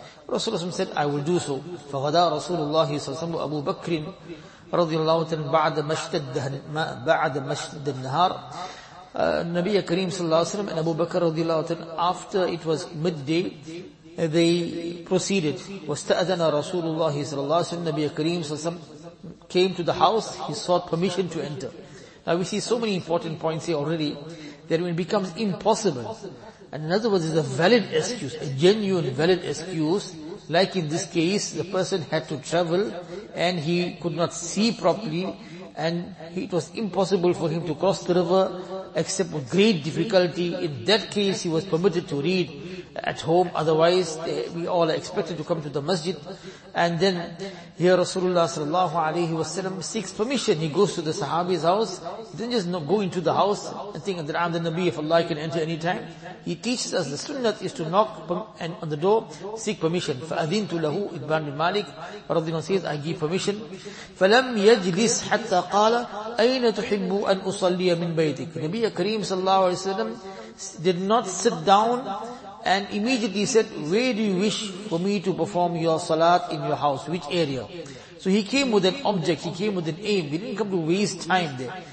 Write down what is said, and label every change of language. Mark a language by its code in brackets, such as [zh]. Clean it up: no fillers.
[ar] Rasulullah [en] said, I will do so. [ar] Faghada Rasulullah sallallahu alaihi wasallam Abu Bakr رضي الله عنه بعد مشتد النهار. [en] Nabi Kareem صلى الله عليه وسلم and Abu Bakr رضي الله عنه, after it was midday, they proceeded. [ar] واستأذن رسول الله صلى الله عليه وسلم, [en] Nabi Kareem صلى الله عليه وسلم came to the house. He sought permission to enter. Now we see so many important points here already, that when it becomes impossible, and in other words, it's a valid excuse, a genuine valid excuse. Like in this case, the person had to travel and he could not see properly, and it was impossible for him to cross the river except with great difficulty. In that case, he was permitted to read at home. Otherwise, we all are expected to come to the masjid. And then here Rasulullah sallallahu alayhi wa sallam seeks permission. He goes to the sahabi's house. He didn't just go into the house and think that I'm the Nabi of Allah, I can enter any time. He teaches us the sunnah is to knock on the door, seek permission. [ar] فَأَذِنْتُ لَهُ إِبْنَ بِنْ مَالِكِ رَضِيَ اللَّهُ عَنْهُ, [en] says, I give permission. [ar] فَلَمْ يَجْلِسْ حَتَّى قَالَ أَيْنَ تُحِبُّ أَنْ أُصَلِّيَ مِنْ بَيْتِكَ. [en] Nabi Kareem sallallahu alayhi wa sallam did not sit down and immediately said, where do you wish for me to perform your salat in your house? Which area? So he came with an object. He came with an aim. He didn't come to waste time there.